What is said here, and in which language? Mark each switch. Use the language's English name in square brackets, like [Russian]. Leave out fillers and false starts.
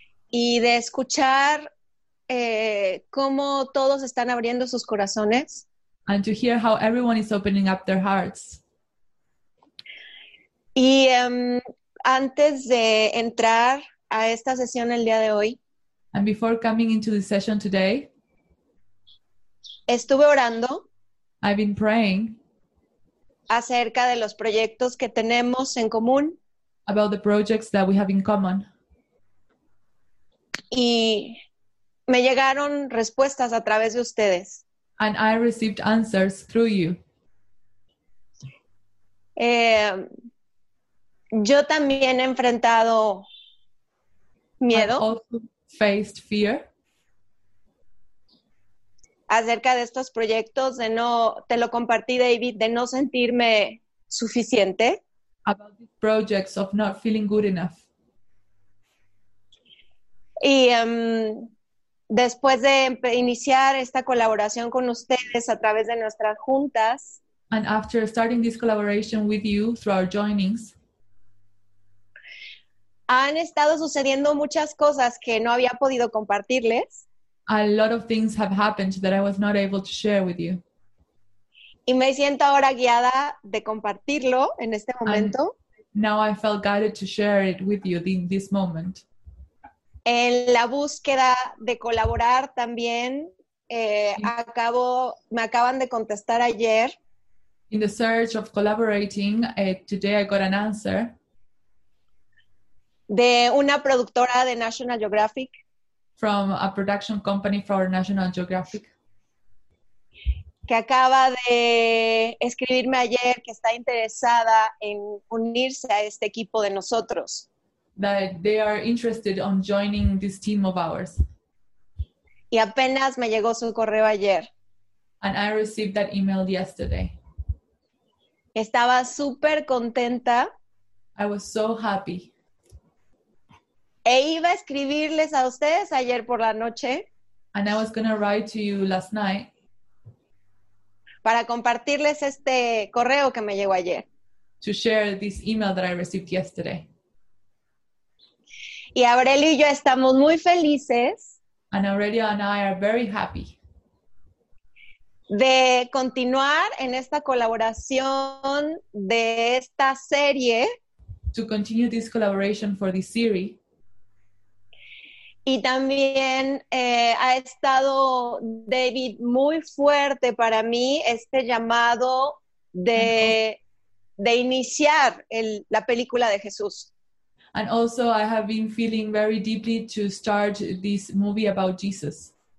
[Spanish] Y de escuchar cómo todos están abriendo sus corazones. [English] And to hear how everyone is opening up their hearts. [Spanish] Y antes de entrar a esta sesión el día de hoy. [English] And before coming into the session today. [Spanish] Estuve orando. [English] I've been praying. [Spanish] Acerca de los proyectos que tenemos en común. [English] About the projects that we have in common. [Spanish] Y me llegaron respuestas a través de ustedes. [English] And I received answers through you. [Spanish] Yo también he enfrentado miedo. [English] I also faced fear. [Spanish] Acerca de estos proyectos de no, te lo compartí, David, de no sentirme suficiente. [English] About these projects of not feeling good enough. [Spanish] Y después de iniciar esta colaboración con ustedes a través de nuestras juntas. [English] And after starting this collaboration with you through our joinings. [Spanish] Han estado sucediendo muchas cosas que no había podido compartirles. [English] A lot of things have happened that I was not able to share with you. [Spanish] Y me siento ahora guiada de compartirlo en este momento. [English] And now I felt guided to share it with you in this moment. [Spanish] En la búsqueda de colaborar también, me acaban de contestar ayer. [English] In the search of collaborating, today I got an answer. [Spanish] De una productora de National Geographic. [English] From a production company for National Geographic. [Spanish] Que acaba de escribirme ayer que está interesada en unirse a este equipo de nosotros. [English] That they are interested in joining this team of ours. [Spanish] Y apenas me llegó su correo ayer. [English] And I received that email yesterday. [Spanish] Estaba súper contenta. [English] I was so happy. [Spanish] E iba a escribirles a ustedes ayer por la noche. [English] And I was going to write to you last night. [Spanish] Para compartirles este correo que me llegó ayer. [English] To share this email that I received yesterday. [Spanish] Y Aurelio y yo estamos muy felices. [English] And Aurelio and I are very happy. [Spanish] De continuar en esta colaboración de esta serie. [English] To continue this collaboration for this series. [Spanish] Y también ha estado, David, muy fuerte para mí este llamado de iniciar la película de Jesús. [English] And also I have been feeling very deeply to start this movie about Jesus.